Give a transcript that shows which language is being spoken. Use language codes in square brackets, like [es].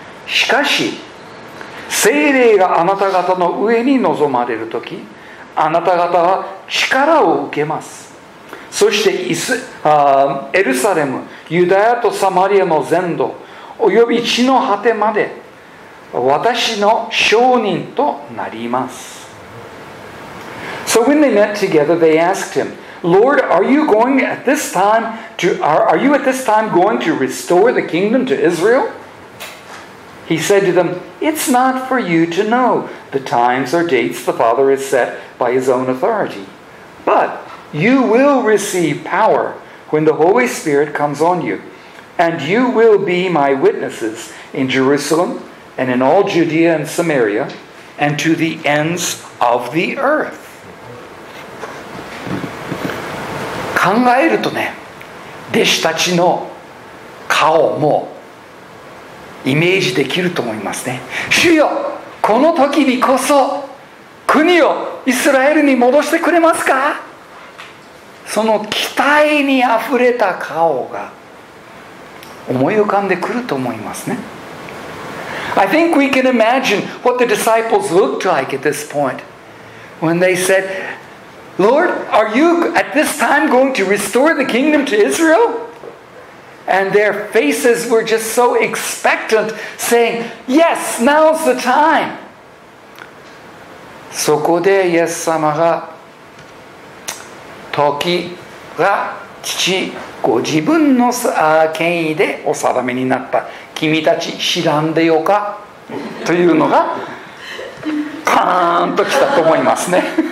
[ja] しかし聖霊があなた方の上に臨まれる時、あなた方は力を受けます。そしてエルサレム、ユダヤとサマリアの全土および地の果てまで私の証人となります。 [en] So when they met together they asked him, Lord, are you at this time going to restore the kingdom to Israel? He said to them, It's not for you to know the times or dates the Father has set by his own authority, but you will receive power when the Holy Spirit comes on you, and you will be my witnesses in Jerusalem and in all Judea and Samaria and to the ends of the earth. [ja] 考えるとね、弟子たちの顔もイメージできると思いますね。主よ、この時にこそ国をイスラエルに戻してくれますか。その期待にあふれた顔が思い浮かんでくると思いますね。 [en] I think we can imagine what the disciples looked like at this point when they said, Lord, are you at this time going to restore the kingdom to Israel? And their faces were just so expectant, saying, Yes, now's the time. [ja] そこでイエス様が時が父ご自分の権威でお定めになった、君たち知らんでよかというのがカーンときたと思いますね。